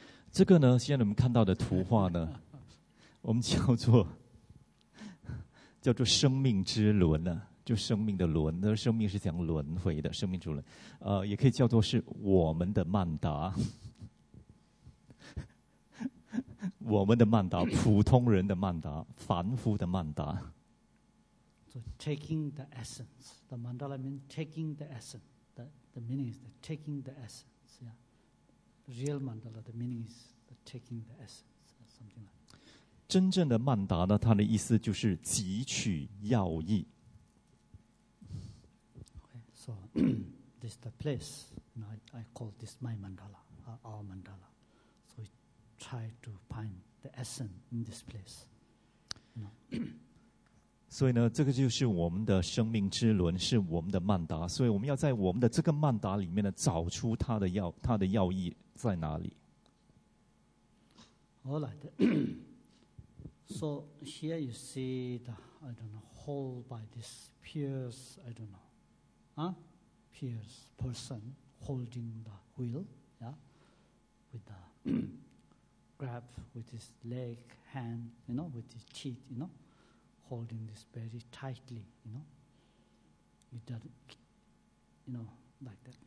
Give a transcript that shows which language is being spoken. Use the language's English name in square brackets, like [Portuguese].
[Chinese] 这个呢，现在我们看到的图画呢，我们叫做生命之轮呢、啊，就生命的轮。那生命是讲轮回的，生命之轮，也可以叫做是我们的曼达，我们的曼达，普通人的曼达，凡夫的曼达。 [English] So taking the essence, the mandala means taking the essence. The meaning is the taking the essence. Yeah, real mandala. The meaning is. Taking the essence, something like. [Chinese] 真正的曼达呢，它的意思就是汲取要义。 [English] Okay, so this is the place, you know, I call this my mandala, our mandala. So we try to find the essence in this place. You know? [Chinese] 所以呢，这个就是我们的生命之轮，是我们的曼达。所以我们要在我们的这个曼达里面呢，找出它的要义在哪里。 [English] All right. So here you see the, I don't know, hold by this pierce, I don't know, pierce person holding the wheel, yeah, with the grab with his leg, hand, you know, with his teeth, you know, holding this very tightly, you know, with that, you know, like that.